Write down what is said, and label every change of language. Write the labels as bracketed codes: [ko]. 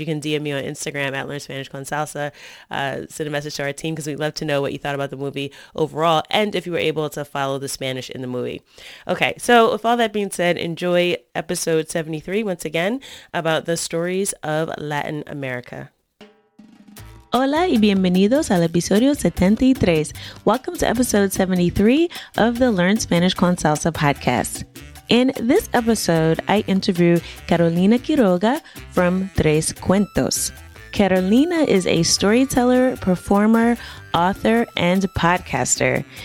[en] You can DM me on Instagram at Learn Spanish Con Salsa. Send a message to our team because we'd love to know what you thought about the movie overall and if you were able to follow the Spanish in the movie. Okay, so with all that being said, enjoy episode 73 once again about the stories of Latin America. [es] Hola y bienvenidos al episodio 73. [en] Welcome to episode 73 of the Learn Spanish con Salsa podcast. In this episode, I interview Carolina Quiroga from Tres Cuentos. Carolina is a storyteller, performer, author, and podcaster.